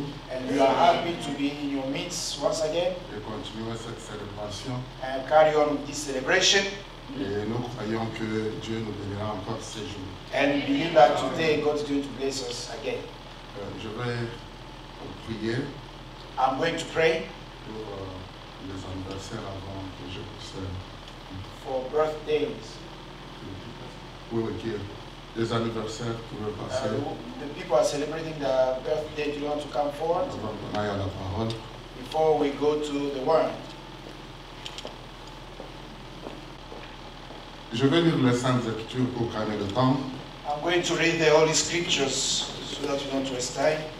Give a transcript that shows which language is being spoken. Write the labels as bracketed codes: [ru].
[en] And we are happy to be in your midst once again. [fr] Et continuer cette célébration. [en] And carry on with this celebration. [fr] Et nous croyons que Dieu nous bénira encore ces jours. [en] And believe that today God is going to bless us again. [fr] Je vais prier. [en] I'm going to pray. [fr] Pour les anniversaires avant que je puisse. [en] For birthdays. [fr] Les anniversaires pourraient passer. [en] The people are celebrating their birthday. Do you want to come forward? [fr] Avant qu'on aille à la parole. [en] Before we go to the word. [fr] Je vais lire les saintes écritures pour gagner le temps. [en] I'm going to read the Holy Scriptures so that we don't waste time.